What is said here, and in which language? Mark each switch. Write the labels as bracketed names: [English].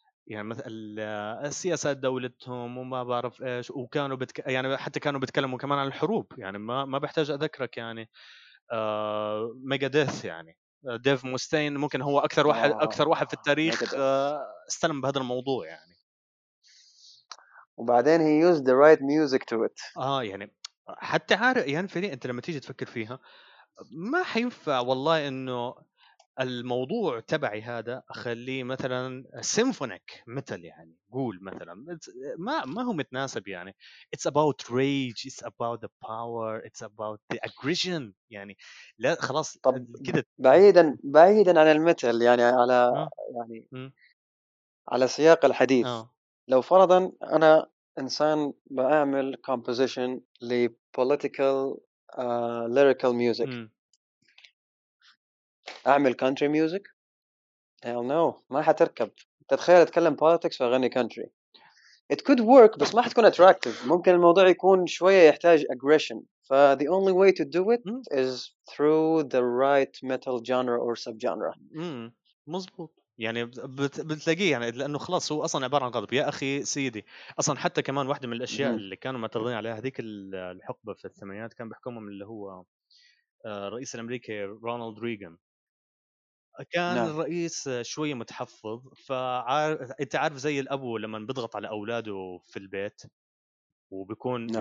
[Arabic] يعني مثل السياسات دولتهم وما بعرف ايش، وكانوا يعني حتى كانوا بيتكلموا كمان عن الحروب. يعني ما بحتاج اذكرك يعني ميجاديث، يعني ديف موستين ممكن هو اكثر واحد في التاريخ استلم بهذا الموضوع. يعني [English] وبعدين he used the right music to it. [Arabic] يعني حتى عارف يعني فيني انت لما تيجي تفكر فيها ما حينفع والله انه الموضوع تبعي هذا اخليه مثلا سيمفونيك ميتال، يعني قول مثلا ما هو متناسب. [English] يعني it's about rage, it's about the power, it's about the aggression. [Arabic] يعني لا خلاص كده بعيدا عن الميتال، يعني على يعني على سياق الحديث. لو فرضا انا انسان بعمل كومبوزيشن لبوليتيكال ليريكال ميوزك، اعمل كونتري ميوزك [English] Hell no, [Arabic] ما حتركب. تتخيل أتكلم politics وأغني country. [English] It could work, [Arabic] بس ما حتكون [English] attractive. [Arabic] ممكن الموضوع يكون شوية يحتاج aggression. [English] فthe only way to do it is through the right metal genre or subgenre. [Arabic] مظبوط. يعني بتلاقيه يعني لأنه خلاص هو أصلاً عبارة عن غضب. يا أخي سيدي أصلاً حتى كمان واحدة من الأشياء اللي كانوا معترضين عليها هذيك الحقبة في الثمانينات كان بحكمهم اللي هو الرئيس الأمريكي رونالد ريغان. كان نعم. الرئيس شوية متحفظ فأنت عارف زي الأبو لما بيضغط على أولاده في البيت وبيكون نعم.